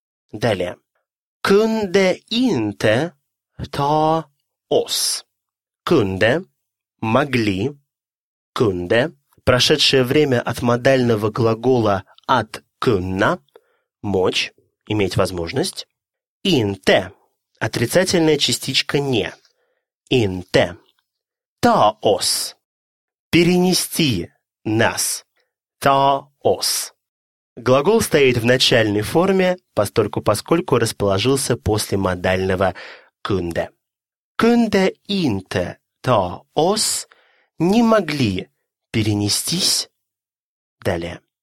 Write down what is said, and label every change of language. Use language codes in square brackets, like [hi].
[sv] Далее. Kunde inte ta oss. [ru] Kunde – могли. Kunde – прошедшее время от модального глагола at kunna – мочь, иметь возможность. Inte – отрицательная частичка «не». [sv] Inte. Ta oss – перенести. [ru] Нас. Та ос. Глагол стоит в начальной форме, поскольку расположился после модального кунде. Кунде инте та ос не могли перенестись. Далее.